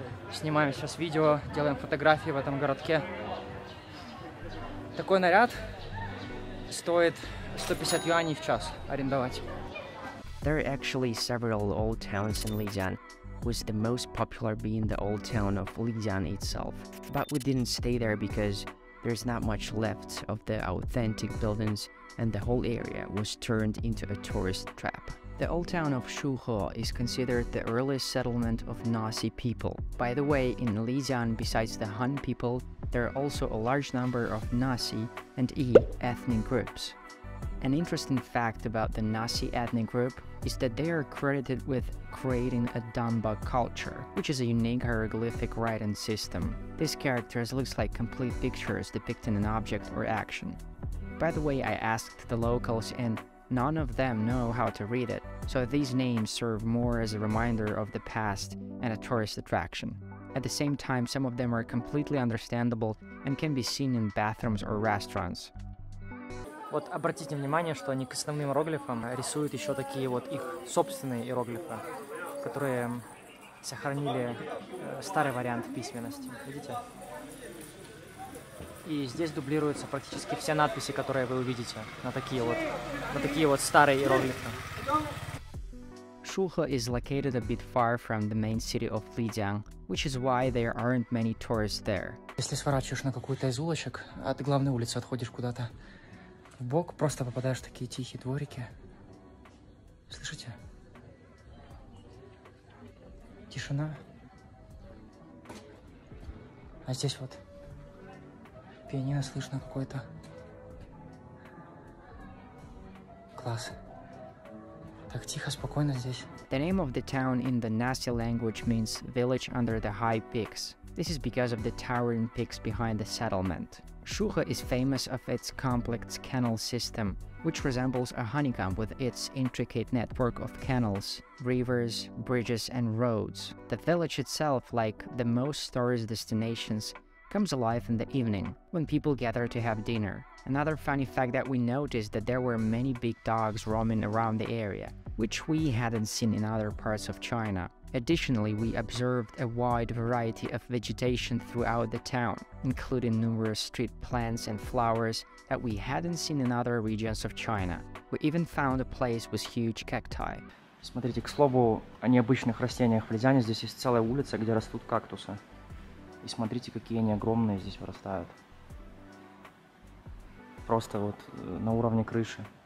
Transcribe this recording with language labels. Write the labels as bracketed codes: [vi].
[ru] Снимаем сейчас видео, делаем фотографии в этом городке. Такой наряд стоит 150 юаней в час арендовать. [en] There are actually several old towns in Lijiang, with the most popular being the old town of Lijiang itself. But we didn't stay there because there's not much left of the authentic buildings and the whole area was turned into a tourist trap. The old town of Shuhe is considered the earliest settlement of Naxi people. By the way, in Lijiang, besides the Han people, there are also a large number of Naxi and Yi ethnic groups. An interesting fact about the Naxi ethnic group is that they are credited with creating a Damba culture, which is a unique hieroglyphic writing system. These characters look like complete pictures depicting an object or action. By the way, I asked the locals and none of them know how to read it, so these names serve more as a reminder of the past and a tourist attraction. At the same time, some of them are completely understandable and can be seen in bathrooms or restaurants. [ru] Вот обратите внимание, что они к основным иероглифам рисуют еще такие вот их собственные иероглифы, которые сохранили старый вариант письменности. Видите? И здесь дублируются практически все надписи, которые вы увидите на такие вот старые иероглифы. [en] Shuhe is located a bit far from the main city of Lijiang, which is why there aren't many tourists there. [ru] Если сворачиваешь на какую-то из улочек, от главной улицы отходишь куда-то вбок, просто попадаешь в такие тихие дворики. Слышите? Тишина. А здесь вот пианино слышно какое-то. Класс. Так тихо, спокойно здесь. [en] The name of the town in the Naxi language means village under the high peaks. This is because of the towering peaks behind the settlement. Shuhe is famous of its complex canal system, which resembles a honeycomb with its intricate network of canals, rivers, bridges, and roads. The village itself, like the most tourist destinations, comes alive in the evening, when people gather to have dinner. Another funny fact that we noticed that there were many big dogs roaming around the area, which we hadn't seen in other parts of China. Additionally, we observed a wide variety of vegetation throughout the town, including numerous street plants and flowers that we hadn't seen in other regions of China. We even found a place with huge cacti. [ru] Смотрите, к слову о необычных растениях в Лизяне, здесь есть целая улица, где растут кактусы. И смотрите, какие они огромные здесь вырастают. Просто вот на уровне крыши.